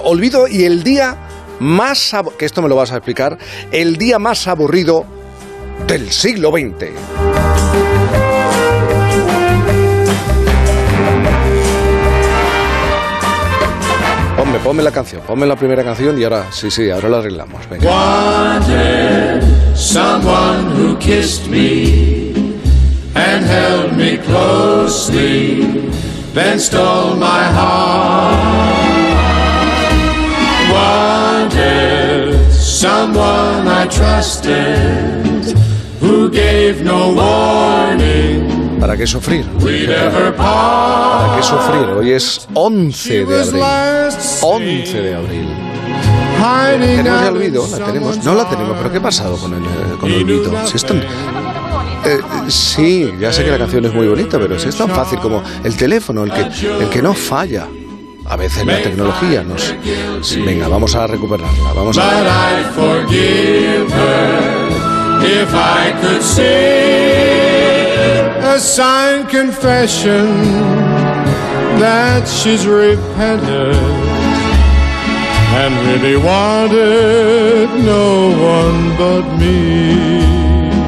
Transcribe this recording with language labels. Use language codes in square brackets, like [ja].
[es] Olvido y el día más, que esto me lo vas a explicar, el día más aburrido del siglo XX. Ponme la canción, ponme la primera canción y ahora, sí, ahora la arreglamos. Venga. [en] Someone who kissed me and held me closely, then stole my heart. Wanted someone I trusted who gave no warning. [es] ¿Para qué sufrir? ¿Para qué sufrir? Hoy es 11 de abril. 11 de abril. ¿Tenemos ya Olvido? ¿La tenemos? No la tenemos, pero ¿qué ha pasado con Olvido? Si es tan... Sí, ya sé que la canción es muy bonita, pero si es tan fácil como el teléfono, el que no falla. A veces la tecnología nos... Venga, vamos a recuperarla. Vamos a ver. [en] I'd forgive her if I could see a signed confession that she's repented and really wanted no one but me.